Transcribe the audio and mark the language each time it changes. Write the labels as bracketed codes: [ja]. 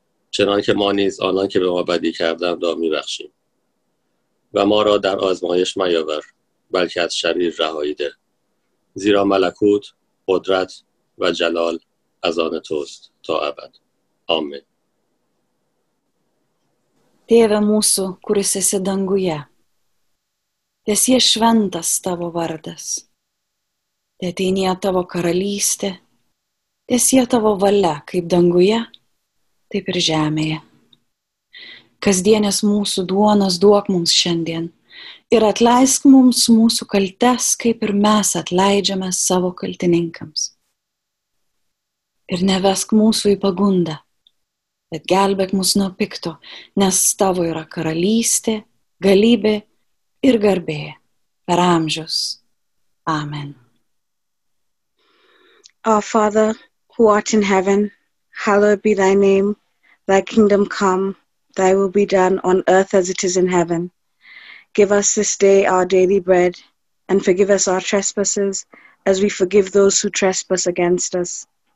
[fa] چنان که ما نیز آنان که به ما بدی کردند را میبخشیم و ما را در آزمایش میاور بلکه از شریر رهایی ده. زیرا ملکوت، قدرت و جلال از آن توست تا ابد. آمین. [lt] Tėve mūsų, kuris esi danguje, tesie šventas tavo vardas, teateinie tavo karalystė, tesie tavo valia kaip danguje, taip ir žemėje. Kasdienės mūsų duonos duok mums šiandien ir atleisk mums mūsų kaltes, kaip ir mes atleidžiame savo kaltininkams. Ir nevesk mūsų į pagundą, bet gelbėk mūsų nuo pikto, nes tavo yra karalystė, galybė ir garbė per amžius. Amen. [en] Our Father, who art in heaven, hallowed be thy name. Thy kingdom come, thy will be done on earth as it is in heaven. Give us this day our daily bread, and forgive us our trespasses, as we forgive those who trespass against us.